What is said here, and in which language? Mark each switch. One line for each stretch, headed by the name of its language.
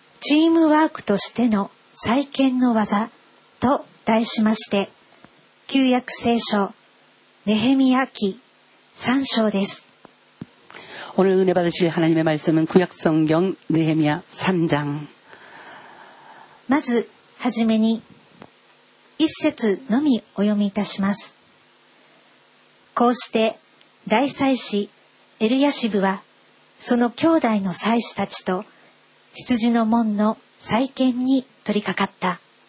Japanese: チームワークとしての再建の技と題しまして、旧約聖書ネヘミヤ記3章です。
Korean: 오늘은혜받으실하나님의말씀은구약성경느헤미야3장
Japanese: まずはじめに一節のみお読みいたします。こうして大祭司エルヤシブはその兄弟の祭司たちと羊の門の再建に取り掛かった。